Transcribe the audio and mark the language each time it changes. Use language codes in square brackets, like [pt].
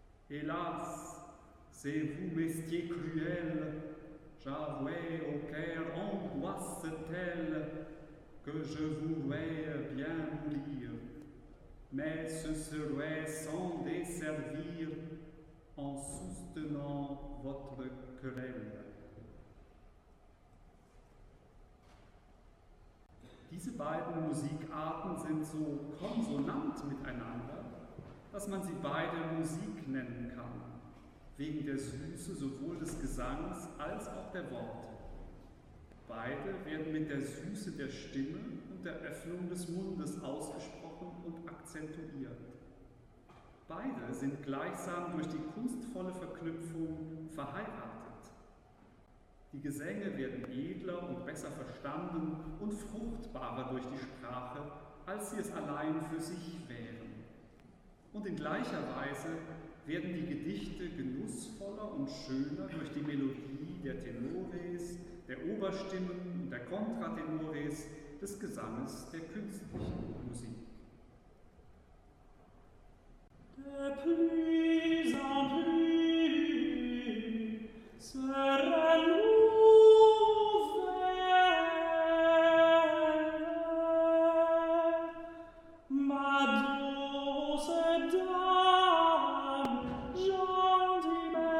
[fr] Hélas, c'est vous, mestier cruel, j'avouais au cœur angoisse telle que je voudrais bien mourir. Mais ce serait sans desservir en soutenant votre querelle. [de] Diese beiden Musikarten sind so konsonant miteinander, dass man sie beide Musik nennen kann, wegen der Süße sowohl des Gesangs als auch der Worte. Beide werden mit der Süße der Stimme und der Öffnung des Mundes ausgesprochen und akzentuiert. Beide sind gleichsam durch die kunstvolle Verknüpfung verheiratet. Die Gesänge werden edler und besser verstanden und fruchtbarer durch die Sprache, als sie es allein für sich wären. Und in gleicher Weise werden die Gedichte genussvoller und schöner durch die Melodie der Tenores, der Oberstimmen und der Kontratenores des Gesanges der künstlichen Musik. [fr] De plus en plus se renouvelle ma douce dame, gente